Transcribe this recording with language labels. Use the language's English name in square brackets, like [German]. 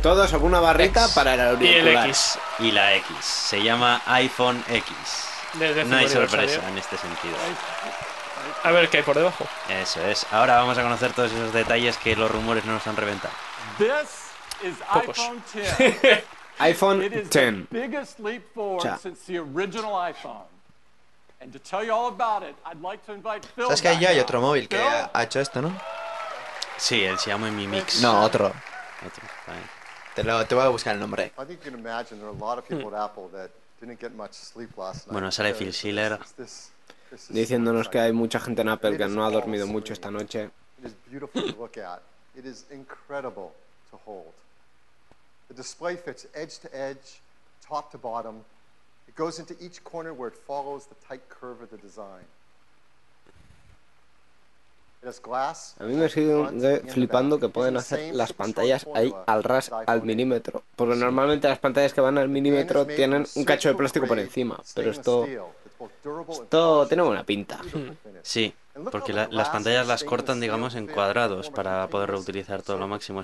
[Spanish] Todo sobre una barrita para el auricular. Y el X. Y la X. Se llama iPhone X. Desde no hay sorpresa en este sentido. A ver qué hay por debajo. Eso es. Ahora vamos a conocer todos esos detalles que los rumores no nos han reventado. [English] This is [Spanish] Pocos. iPhone X. [English] The biggest leap forward since the original iPhone. And to tell you all about it, I'd like to invite Phil. [Spanish] ¿Sabes que ya hay otro móvil que ha hecho esto, no? Sí, el Xiaomi Mi Mix. No, otro. Te voy a buscar el nombre. [English] I think you can imagine there are a lot of people at Apple that didn't get much sleep last night. [Spanish] Bueno, sale Phil Schiller diciéndonos que hay mucha gente en Apple que no ha dormido mucho esta noche. [English] It is beautiful to look at. It is incredible to hold. The display fits edge to edge, top to bottom. Goes into each corner where it follows the tight curve of the design. It has glass. [Spanish] A mí me sigue flipando que pueden hacer las pantallas ahí al ras, al milímetro. Porque normalmente las pantallas que van al milímetro tienen un cacho de plástico por encima. Pero esto tiene buena pinta. Sí, porque las pantallas las cortan, digamos, en cuadrados para poder reutilizar todo lo máximo.